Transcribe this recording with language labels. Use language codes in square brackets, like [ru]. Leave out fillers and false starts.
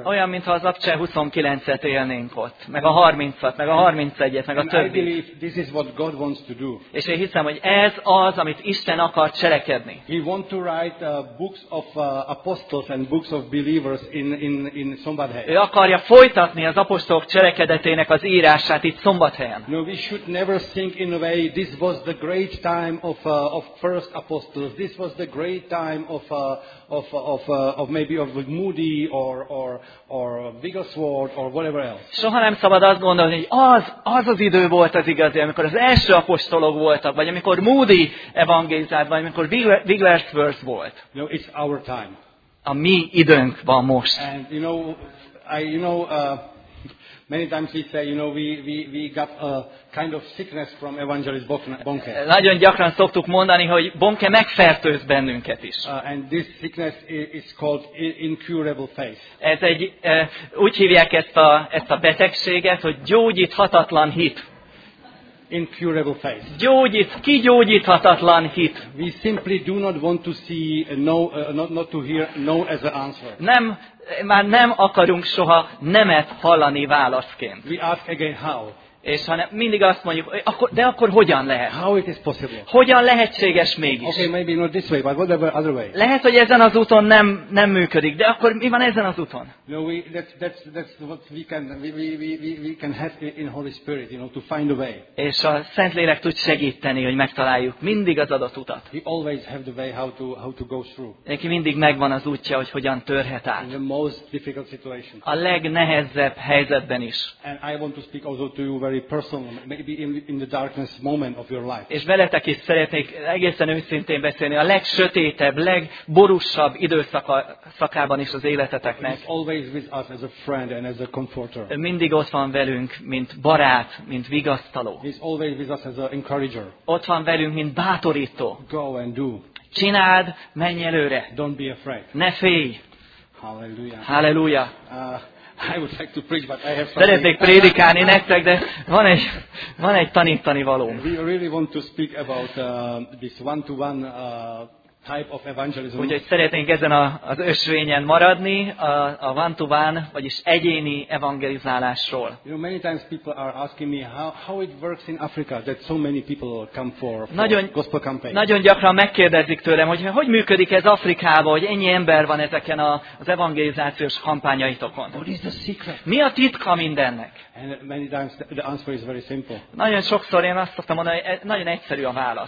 [hu] Olyan, mintha az Apcsel 29-et élnénk ott, meg a 30-at, meg a 31-et, meg a többit. [en] And I believe this is what God wants to do. [hu] És én hiszem, hogy ez az, amit Isten akar cselekedni. [en] He want to write books of apostles and books of believers in Szombathely. [hu] Ő akarja folytatni az apostolok cselekedetének az írását itt Szombathelyen. [en] No, we should never think in a way this was the great time of first apostles. This was the great time of maybe of Moody or Wigglesworth or whatever else. [hu] Soha nem szabad azt gondolni, hogy az az idő volt az igazi, amikor az első apostolok voltak, vagy amikor Moody evangélizált, vagy amikor Wigglesworth volt. [en] No, it's our time. [hu] a mi időnk van most. [en] And you know, many times we say, you know, we got a kind of sickness from evangelist Bonke. [hu] Nagyon gyakran szoktuk mondani, hogy Bonke megfertőz bennünket is. [en] And this sickness is called incurable faith. [hu] Ez egy úgy hívják ezt a betegséget, hogy gyógyíthatatlan hit. [en] Incurable faith. [hu] Kigyógyíthatatlan hit. [en] We simply do not want to see not to hear no as an answer. [hu] Nem, már nem akarunk soha nemet hallani válaszként. [en] We ask again how. [hu] És hanem mindig azt mondjuk, akkor, de akkor hogyan lehet? [en] How it is possible? [hu] Hogyan lehetséges mégis? [en] Okay, maybe not this way, but whatever other way. [hu] Lehet, hogy ezen az úton nem működik, de akkor mi van ezen az úton? [en] No, that's what we can have in Holy Spirit, you know, to find a way. [hu] És a Szentlélek tud segíteni, hogy megtaláljuk mindig az adott utat. [en] He always have the way how to go through. [hu] Neki mindig megvan az útja, hogy hogyan törhet át. [en] In the most difficult situation. [hu] A legnehezebb helyzetben is. [en] And I want to speak also to you very personal, maybe in the darkest moment of your life. [hu] És veletek is szeretnék egészen őszintén beszélni a legsötétebb, legborúsabb időszakában is az életeteknek. [en] He's always with us as a friend and as a comforter. [hu] Mindig ott van velünk, mint barát, mint vigasztaló. [en] He's always with us as an encourager. [hu] Ott van velünk, mint bátorító. [en] Go and do. [hu] Csináld, menj előre. [en] Don't be afraid. [hu] Ne félj. [en] Hallelujah. [hu] Hallelujah. [en] I would like to preach, but I have something. [hu] Szeretnék prédikálni nektek, de van egy tanítani való. [en] We really want to speak about this one-to-one type of evangelism. [hu] Úgyhogy szeretnénk ezen az ösvényen maradni, a one-to-one, vagyis egyéni evangelizálásról. [en] You know, many times people are asking me how it works in Africa that so many people come for gospel campaign. [hu] Nagyon gyakran megkérdezik tőlem, hogy működik ez Afrikában, hogy ennyi ember van ezeken az evangelizációs kampányaitokon. [en] What is the secret? [hu] Mi a titka mindennek? [en] And many times the answer is very simple. [hu] Nagyon sokszor én azt szoktam mondani, hogy nagyon egyszerű a válasz.